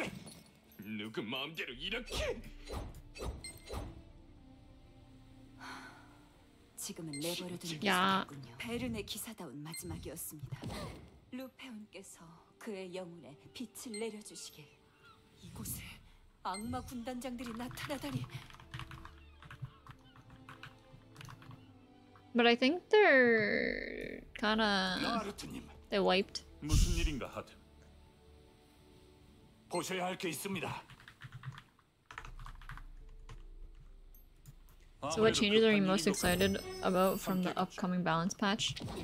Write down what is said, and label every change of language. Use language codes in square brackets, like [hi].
[en] But I think they're kind of... They wiped. [ko] 무슨 일인가 하든 보셔야 할 게 있습니다. [en] So what changes are you most excited about from the upcoming balance patch?